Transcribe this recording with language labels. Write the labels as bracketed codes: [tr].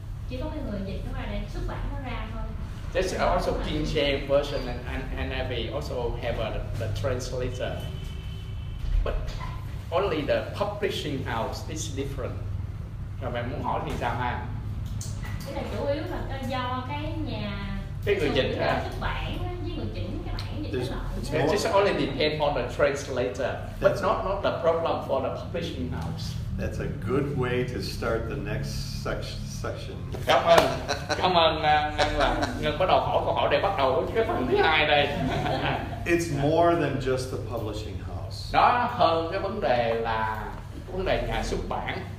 [vi] Chỉ có cái người dịch nó ra để xuất bản nó ra thôi. [en] This is also King James version and NIV also have the translator, but only the publishing house is different. [vi] Rồi bạn muốn hỏi thì sao ha? Cái là chủ yếu là do cái nhà cái người dịch xuất bản với người chỉnh cái bản dịch nó lỗi. [en] It's just only depend on the translator, but not the problem for the publishing house. That's a good way to start the next section. [vi] Cảm ơn Ngân bắt đầu hỏi câu hỏi để bắt đầu cái phần thứ hai đây. [en] It's more than just the publishing house. [vi] Đó hơn cái vấn đề là vấn đề nhà xuất bản.